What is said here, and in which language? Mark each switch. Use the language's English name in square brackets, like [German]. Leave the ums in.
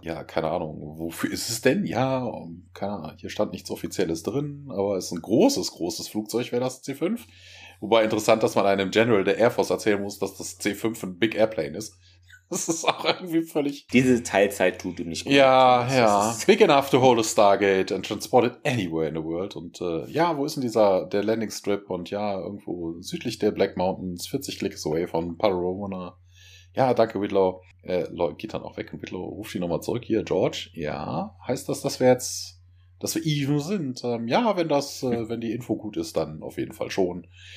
[German] Ja, keine Ahnung, wofür ist es denn? Ja, um, keine Ahnung, hier stand nichts Offizielles drin, aber es ist ein großes, großes Flugzeug, wäre das C5. Wobei interessant, dass man einem General der Air Force erzählen muss, dass das C5 ein Big Airplane ist. Das ist auch irgendwie völlig Diese Teilzeit tut ihm nicht gut. ja, Das ja. ist- [English] Big enough to hold a Stargate and transport it anywhere in the world. [German] Und äh, ja, wo ist denn dieser, der Landing Strip? Und ja, irgendwo südlich der Black Mountains, 40 Klicks away von Parona. Ja, danke, Whitlow. Äh, Lo- geht dann auch weg und Whitlow ruft ihn nochmal zurück. Hier, George. Ja, heißt das, dass wir jetzt, dass wir even sind? Ähm, ja, wenn das, äh, wenn die Info gut ist, dann auf jeden Fall schon.